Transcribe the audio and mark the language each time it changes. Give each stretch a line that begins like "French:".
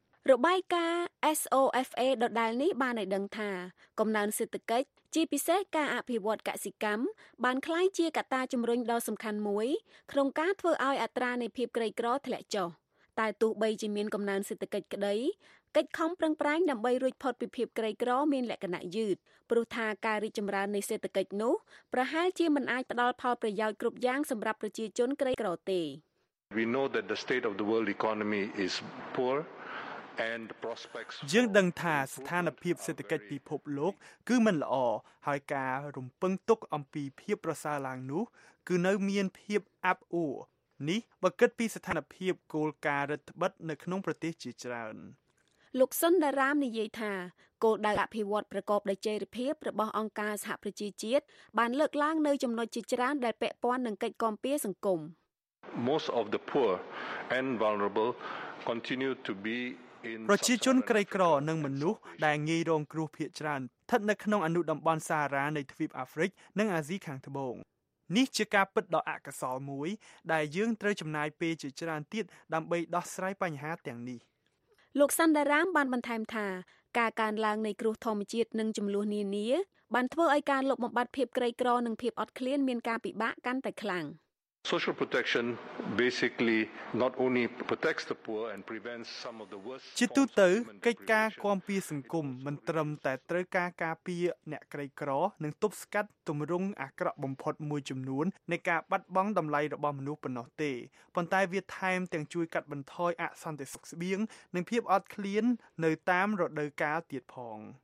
Khmer: របាយការណ៍ SOFA ដដែលនេះបានឲ្យដឹងថាកំណើនសេដ្ឋកិច្ចជាពិសេសការអភិវឌ្ឍកសិកម្មបានក្លាយជាកត្តាជំរុញដ៏សំខាន់មួយក្នុងការធ្វើឲ្យអត្រានៃភាពក្រីក្រធ្លាក់ចុះតែទោះបីជាមានកំណើនសេដ្ឋកិច្ចក្តីកិច្ចខំប្រឹងប្រែងដើម្បីរួចផុតពីភាពក្រីក្រមានលក្ខណៈយឺតព្រោះថាការរីកចម្រើននៃសេដ្ឋកិច្ចនោះប្រហែលជាមិនអាចផ្ដល់ផលប្រយោជន៍គ្រប់យ៉ាងសម្រាប់ប្រជាជនក្រីក្រទេ
English: We know that the state of the world economy is poor
Khmer: យើងដឹងថាស្ថានភាពសេដ្ឋកិច្ចពិភពលោកគឺមិនល្អហើយការរំពឹងទុកអំពីភាពប្រសើរឡើងនោះគឺនៅមានភាពអាប់អួរនេះបើគិតពីស្ថានភាពគោលការណ៍រដ្ឋបတ်នៅក្នុងប្រទេសជាច្រើន លោកសុនដារ៉ាមនិយាយថាគោលដៅអភិវឌ្ឍប្រកបដោយចីរភាពរបស់អង្គការសហប្រជាជាតិបានលើកឡើងនៅចំណុចជាច្រើនដែលពាក់ព័ន្ធនឹងកិច្ចគាំពារសង្គម
English: Most of the poor and vulnerable continue to bebe
Khmer: ប្រជាជនក្រីក្រនិងមនុស្សដែលងាយរងគ្រោះភាគច្រើនស្ថិតនៅក្នុងអនុតំបន់សារ៉ានៃទ្វីបអាហ្វ្រិកនិងអាស៊ីខាងត្បូងនេះជាការពិតដ៏អកសលមួយដែលយើងត្រូវចំណាយពេលជាច្រើនទៀតដើម្បីដោះស្រាយបញ្ហាទាំងនេះ លោកសន្តារាមបានបន្ថែមថាការកើនឡើងនៃគ្រោះធម្មជាតិនិងចំនួននានាបានធ្វើឲ្យការលុបបំបាត់ភាពក្រីក្រនិងភាពអត់ឃ្លានមានការពិបាកកាន់តែខ្លាំង
English: Social protection basically not only protects the poor and prevents some of the worst
Khmer: ជាទូទៅកិច្ចការគាំពារសង្គមមិនត្រឹមតែត្រូវការការពារអ្នកក្រីក្រនិងទប់ស្កាត់ទម្រង់អាក្រក់បំផុតមួយចំនួននៃការបាត់បង់តម្លៃរបស់មនុស្សប៉ុណ្ណោះទេប៉ុន្តែវាថែមទាំងជួយកាត់បន្ថយអសន្តិសុខស្បៀងនិងភាពអត់ឃ្លាននៅតាមរដូវកាលទៀតផង